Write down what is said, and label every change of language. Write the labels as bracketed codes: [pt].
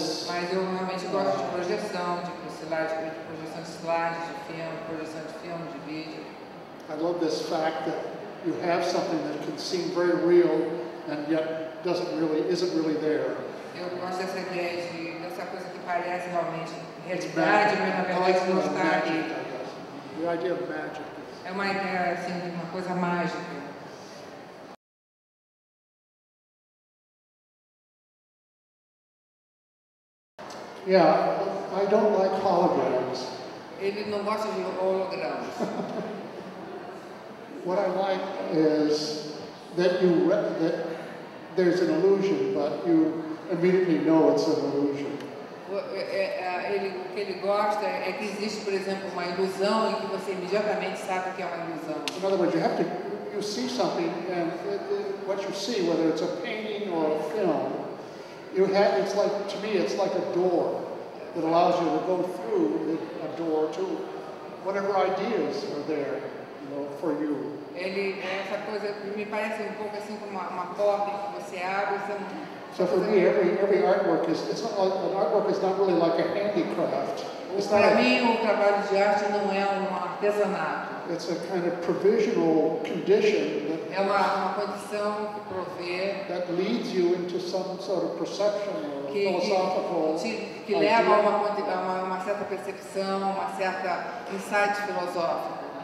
[pt] Mas eu realmente gosto de projeção, projeção de filme, de vídeo. [en] I love this fact that you have something that can seem very real and yet isn't really there. [pt] Eu gosto dessa ideia de dessa coisa que parece realmente realidade, mas na verdade não está aqui. [en] The idea of magic. [pt] É uma ideia assim de uma coisa mágica. [en] Yeah, I don't like holograms. [pt] Ele não gosta de hologramas. [en] What I like is that that there's an illusion, but you immediately know it's an illusion. [pt] O que ele gosta é que existe, por exemplo, uma ilusão e que você imediatamente sabe que é uma ilusão. [en] In other words, you see something, and what you see, whether it's a painting or a film, it's like a door that allows you to go through a door to whatever ideas are there, you know, for you. [pt] Essa coisa me parece um pouco assim como uma porta que você abre. [en] So for me, every artwork is, it's not like, an artwork is not really like a handicraft. [pt] Para mim, o trabalho de arte não é um artesanato. [en] It's a kind of provisional condition that [pt] é uma condição que provê [en] that leads you into some sort of perception or philosophical [pt] que leva a uma certa percepção, uma certa insight filosófico.